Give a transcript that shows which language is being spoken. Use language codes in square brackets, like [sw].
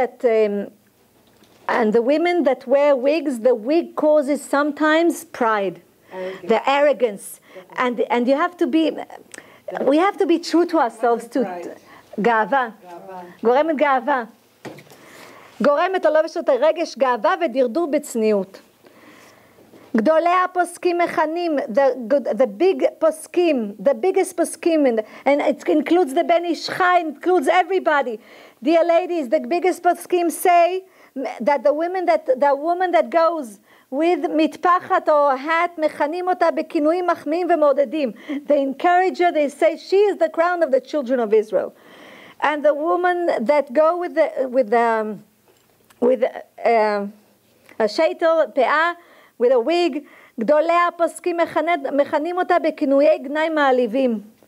[en] And the women that wear wigs, the wig causes sometimes pride, arrogance. The arrogance. And you have to be, we have to be true to ourselves too. [he] Gaava. Goremet gaava. גורמת הלבשות הרגש גאווה ודרדור בצניעות. גדולי הפוסקים מכנים, [en] the big [he] פוסקים, [en] the biggest [he] פוסקים, [en] and it includes the [he] בן איש חי, [en] includes everybody. Dear ladies, the biggest פוסקים say that the woman that goes with מטפחת or hat, [he] מכנים אותה בכינויים מחמיאים ומעודדים. [en] They encourage her, they say she is the crown of the children of Israel. And the woman that go with a sheitel, peah, with a wig, [he] gdolei haposkim mechanim ota bekinuyei gnai ma'alivim.